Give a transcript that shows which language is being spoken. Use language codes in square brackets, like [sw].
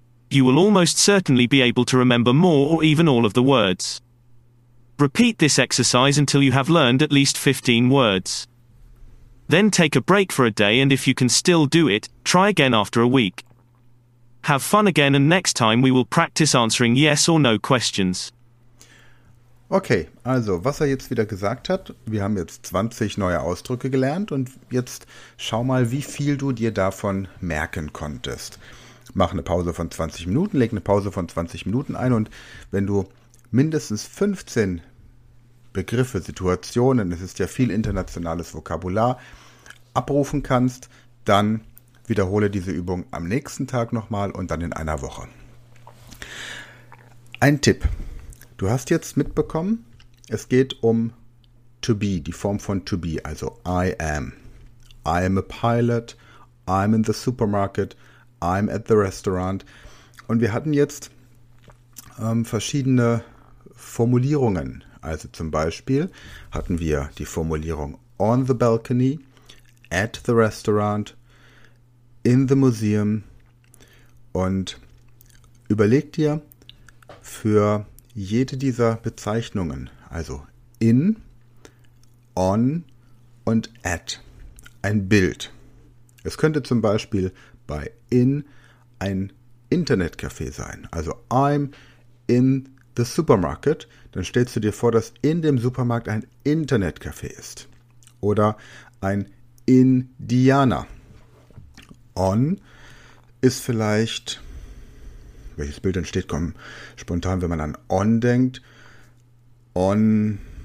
[en] You will almost certainly be able to remember more or even all of the words. Repeat this exercise until you have learned at least 15 words. Then take a break for a day, and if you can still do it, try again after a week. Have fun again, and next time we will practice answering yes or no questions. [de] Okay, also, was er jetzt wieder gesagt hat, wir haben jetzt 20 neue Ausdrücke gelernt und jetzt schau mal, wie viel du dir davon merken konntest. Mach eine Pause von 20 Minuten, leg eine Pause von 20 Minuten ein und wenn du mindestens 15 Begriffe, Situationen, es ist ja viel internationales Vokabular, abrufen kannst, dann wiederhole diese Übung am nächsten Tag nochmal und dann in einer Woche. Ein Tipp. Du hast jetzt mitbekommen, es geht um to be, die Form von to be, also I am. [en] I am a pilot, I'm in the supermarket, I'm at the restaurant. [de] Und wir hatten jetzt verschiedene Formulierungen. Also zum Beispiel hatten wir die Formulierung [en] on the balcony, at the restaurant, in the museum. [de] Und überleg dir für jede dieser Bezeichnungen, also in, on und at, ein Bild. Es könnte zum Beispiel bei in ein Internetcafé sein. [en] Also I'm in the supermarket. [de] Dann stellst du dir vor, dass in dem Supermarkt ein Internetcafé ist. Oder ein Indianer. On ist vielleicht, welches Bild entsteht, kommt spontan, wenn man an on denkt. On.